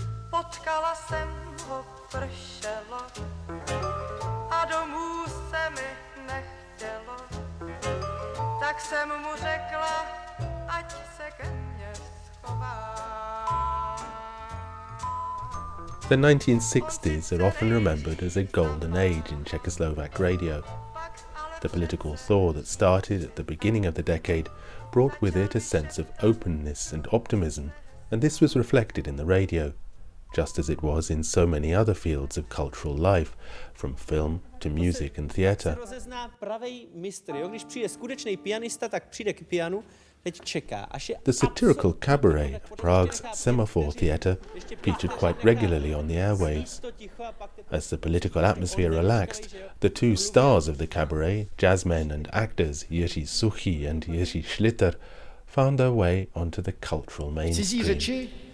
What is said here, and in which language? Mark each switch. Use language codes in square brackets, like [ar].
[cs] Potkala jsem ho, pršelo, a domů se mi nechtělo. Tak jsem mu řekla, ať se ke mně schová. [en] The 1960s are often remembered as a golden age in Czechoslovak radio. The political thaw that started at the beginning of the decade brought with it a sense of openness and optimism, and this was reflected in the radio, just as it was in so many other fields of cultural life, from film to music and theatre. [cs] Rozezná pravý mistr, jo? Když přijde skutečný pianista, tak přijde k pianu, teď čeká. [en] The satirical cabaret of Prague's Semaphore Theatre featured quite regularly on the airwaves. As the political atmosphere relaxed, the two stars of the cabaret, jazzmen and actors Jiří Suchý and Jiří Šlitr, found their way onto the cultural mainstream.